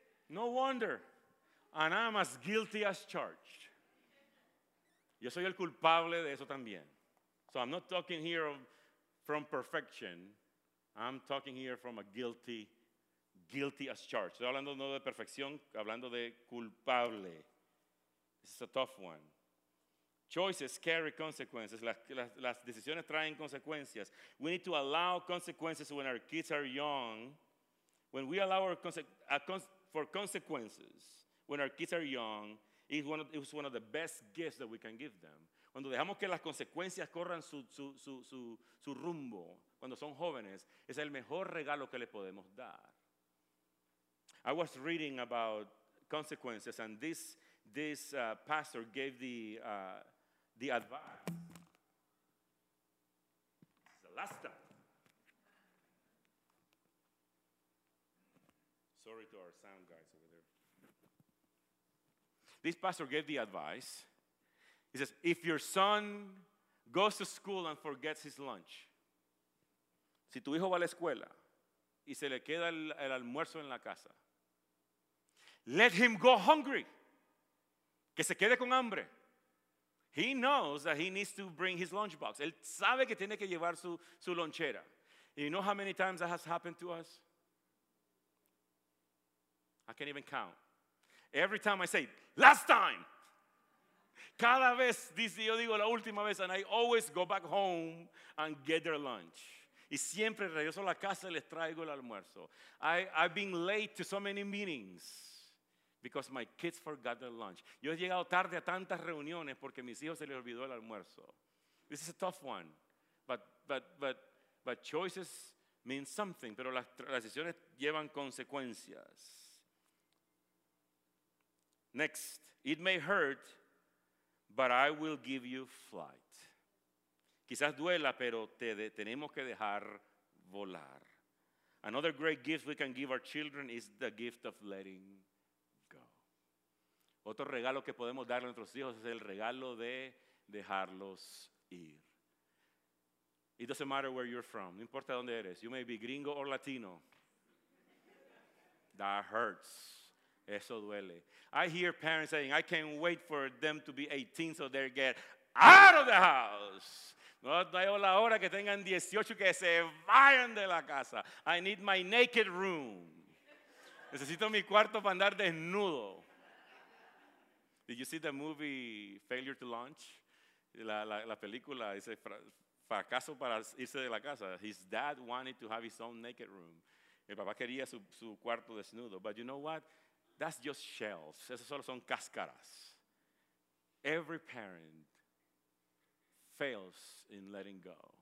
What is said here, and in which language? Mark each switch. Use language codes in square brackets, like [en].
[en] No wonder. And I'm as guilty as charged. [es] Yo soy el culpable de eso también. [en] So I'm not talking here from perfection. I'm talking here from a guilty as charged. [es] Estoy hablando no de perfección, hablando de culpable. [en] This is a tough one. Choices carry consequences. [es] Las decisiones traen consecuencias. [en] We need to allow consequences when our kids are young. When we allow for consequences when our kids are young, it's one of the best gifts that we can give them. [es] Cuando dejamos que las consecuencias corran su rumbo, cuando son jóvenes, es el mejor regalo que le podemos dar. [en] I was reading about consequences, and this pastor gave the advice. It's the last time. Sorry to our sound guys over there. This pastor gave the advice. He says, if your son goes to school and forgets his lunch, [es] si tu hijo va a la escuela y se le queda el almuerzo en la casa, [en] let him go hungry. [es] Que se quede con hambre. [en] He knows that he needs to bring his lunchbox. [es] Él sabe que tiene que llevar su lonchera. [en] And you know how many times that has happened to us? I can't even count. Every time I say, last time. [es] Cada vez dice, yo digo la última vez, [en] and I always go back home and get their lunch. [es] Y siempre regreso a la casa y les traigo el almuerzo. [en] I've been late to so many meetings because my kids forgot their lunch. [es] Yo he llegado tarde a tantas reuniones porque a mis hijos se les olvidó el almuerzo. [en] This is a tough one, but choices mean something, [es] pero las decisiones llevan consecuencias. [en] Next, it may hurt, but I will give you flight. [es] Quizás duela, pero tenemos que dejar volar. [en] Another great gift we can give our children is the gift of letting go. [es] Otro regalo que podemos darle a nuestros hijos es el regalo de dejarlos ir. [en] It doesn't matter where you're from. [es] No importa dónde eres. [en] You may be gringo or Latino. That hurts. [es] Eso duele. [en] I hear parents saying, I can't wait for them to be 18 so they get out of the house. [es] No hay la hora que tengan 18 que se vayan de la casa. [en] I need my naked room. [es] Necesito mi cuarto para andar desnudo. [en] Did you see the movie Failure to Launch? [es] La película dice fracaso para irse de la casa. [en] His dad wanted to have his own naked room. [es] El papá quería su cuarto desnudo. [en] But you know what? That's just shells. [es] Esas solo son cáscaras. [en] Every parent fails in letting go.